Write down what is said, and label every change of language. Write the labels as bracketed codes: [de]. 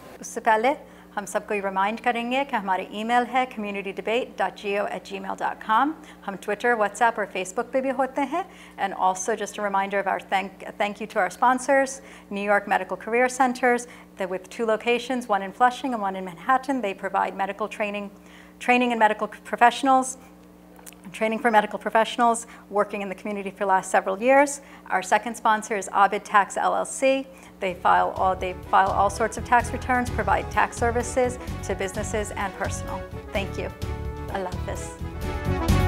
[ur] اس سے پہلے ہم سب کو یہ ریمائنڈ کریں گے کہ ہماری ای میل ہے communitydebate.jio@gmail.com. ہم ٹویٹر، واٹس ایپ اور فیس بک پہ بھی ہوتے ہیں. [en] And also just a reminder of our thank you to our sponsors, New York medical career centres with two locations, one in Flushing and one in Manhattan. They provide medical training and medical professionals training for medical professionals working in the community for last several years. Our second sponsor is Abid tax L L C. They file all sorts of tax returns, provide tax services to businesses and personal. Thank you. Allah Hafiz.